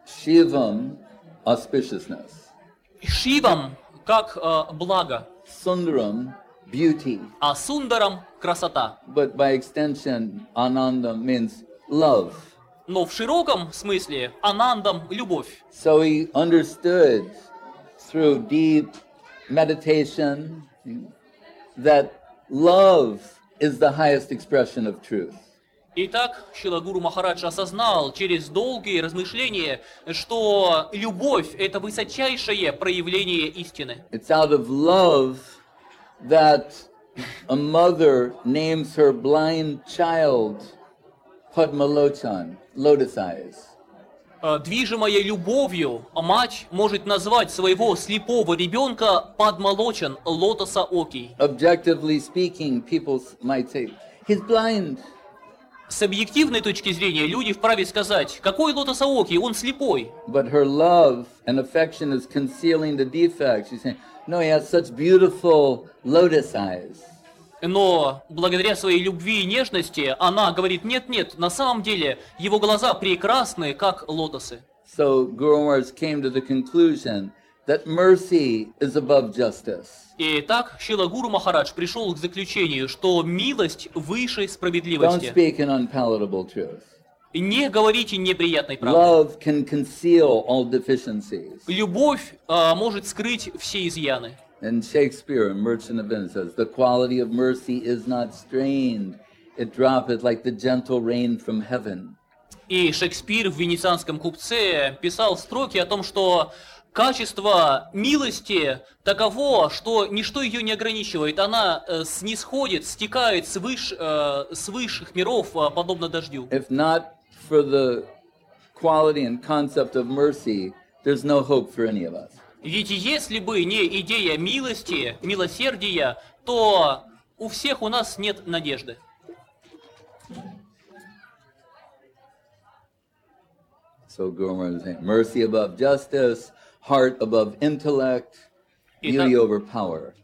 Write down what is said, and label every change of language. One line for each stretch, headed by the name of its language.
English: Shivam – auspiciousness.
Russian: Shivam – как благо.
English: Sundaram – beauty.
Russian: А Сундарам – красота.
English: But by extension, Anandam means love.
Russian: Но в широком смысле Анандам – любовь.
English: So he understood through deep meditation that love is the highest expression of truth.
Russian: Итак, Шрила Гуру Махарадж осознал через долгие размышления, что любовь – это высочайшее проявление истины.
English: It's out of love that a mother names her blind child Padmalochan, lotus eyes.
Russian: Движимая любовью, мать может назвать своего слепого ребенка Падмалочан, лотоса оки.
English: Objectively speaking, people might say, he's blind.
Russian: С объективной точки зрения, люди вправе сказать, какой лотоса оки, он слепой.
English: But her love and affection is concealing the defect. She's saying, no, he has such beautiful lotus eyes.
Russian: Но благодаря своей любви и нежности она говорит, нет-нет, на самом деле его глаза прекрасны, как лотосы.
English: So Guru Maharaj came to the conclusion that mercy is above justice.
Russian: И так Шрила Гуру Махарадж пришел к заключению, что милость выше справедливости.
English: Don't speak an unpalatable truth.
Russian: Не говорите неприятной правды.
English: Love can conceal all deficiencies.
Russian: Любовь может скрыть все изъяны.
English: And Shakespeare, Merchant of Venice, says, the quality of mercy is not strained, it droppeth like the gentle rain from heaven.
Russian: И Шекспир в «Венецианском купце» писал строки о том, что качество милости таково, что ничто ее не ограничивает, она снисходит, стекает с высших миров, подобно дождю.
English: If not for the quality and concept of mercy, there's no hope for any of us.
Russian: Ведь если бы не идея милости, милосердия, то у всех у нас нет надежды.
English: So Guru Maharaj is saying, mercy above justice, heart above intellect, beauty over power.